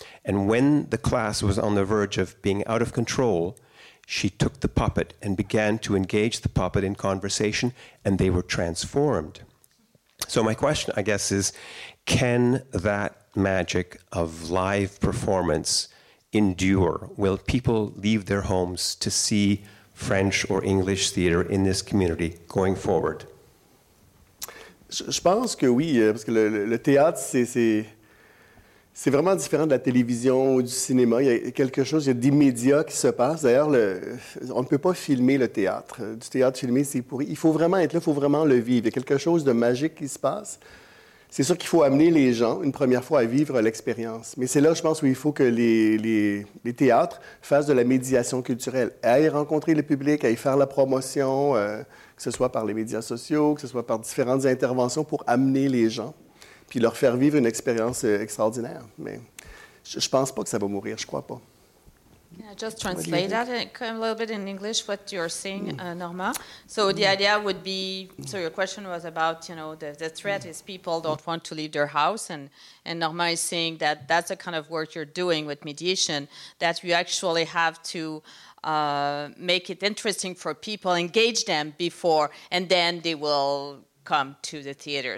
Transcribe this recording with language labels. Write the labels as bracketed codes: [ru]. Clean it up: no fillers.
[en] And when the class was on the verge of being out of control, she took the puppet and began to engage the puppet in conversation, and they were transformed. So my question, I guess, is can that magic of live performance endure? Will people leave their homes to see French or English theater in this community going forward? [fr] Je pense que oui, parce que le théâtre, c'est vraiment différent de la télévision ou du cinéma. Il y a quelque chose, il y a d'immédiat qui se passe. D'ailleurs, on ne peut pas filmer le théâtre. Du théâtre filmé, c'est pourri. Il faut vraiment être là, il faut vraiment le vivre. Il y a quelque chose de magique qui se passe. C'est sûr qu'il faut amener les gens, une première fois, à vivre l'expérience. Mais c'est là, je pense, où il faut que les théâtres fassent de la médiation culturelle. Aillent rencontrer le public, aillent faire la promotion, que ce soit par les médias sociaux, que ce soit par différentes interventions pour amener les gens, puis leur faire vivre une expérience extraordinaire. Mais je pense pas que ça va mourir, je crois pas. [en] Yeah, just translate that a little bit in English, what you're saying, Norma. So the idea would be, so your question was about, you know, the threat is people don't want to leave their house. And Norma is saying that that's the kind of work you're doing with mediation, that you actually have to make it interesting for people, engage them before, and then they will come to the theater.